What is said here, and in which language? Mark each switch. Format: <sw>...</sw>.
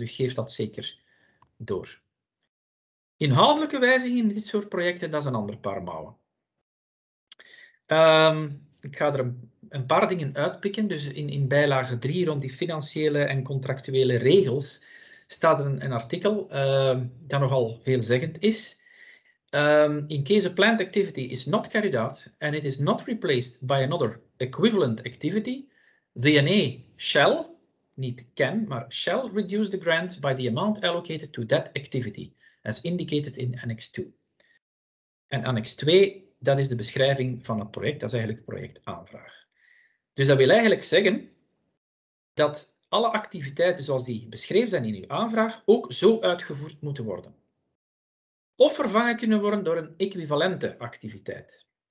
<nl>Dus geef dat zeker door. Inhoudelijke wijzigingen in dit soort projecten, dat is een ander paar mouwen. Ik ga er een paar dingen uitpikken. Dus in bijlage 3 rond die financiële en contractuele regels staat een artikel dat nogal veelzeggend is.</nl> <en>In case a planned activity is not carried out and it is not replaced by another equivalent activity, the NA shall,</en> <nl>niet</nl> <en>can,</en> <nl>maar</nl> <en>shall reduce the grant by the amount allocated to that activity, as indicated in Annex 2.</en> <nl>En Annex 2, dat is de beschrijving van het project, dat is eigenlijk projectaanvraag. Dus dat wil eigenlijk zeggen dat alle activiteiten zoals die beschreven zijn in uw aanvraag ook zo uitgevoerd moeten worden. Of vervangen kunnen worden door een equivalente activiteit.</nl>